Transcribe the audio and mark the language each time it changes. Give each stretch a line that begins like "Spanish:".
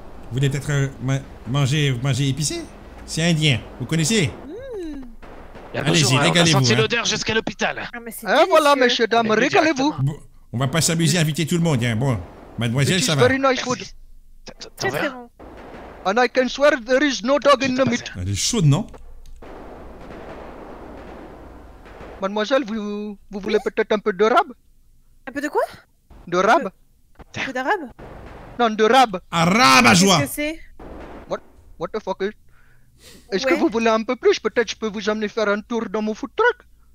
French: Vous voulez peut-être manger épicé? C'est indien, vous connaissez? Allez-y, régalez-vous. On a senti l'odeur jusqu'à l'hôpital. Voilà messieurs, dames, régalez-vous. On va pas s'amuser à inviter tout le monde. Bon, mademoiselle, ça va.
English: Very nice food.
French: Très bon.
English: And I can swear there is no dog in the meat.
French: Elle est chaude, non? Mademoiselle, vous voulez peut-être un peu de rab? Un peu de quoi? De rab? Un peu d'arabe? Non, de rab. Arabe à joie! Qu'est-ce que c'est?
English: What the fuck is...
French: Est-ce que vous voulez un peu plus? Peut-être je peux vous amener faire un tour dans mon food truck?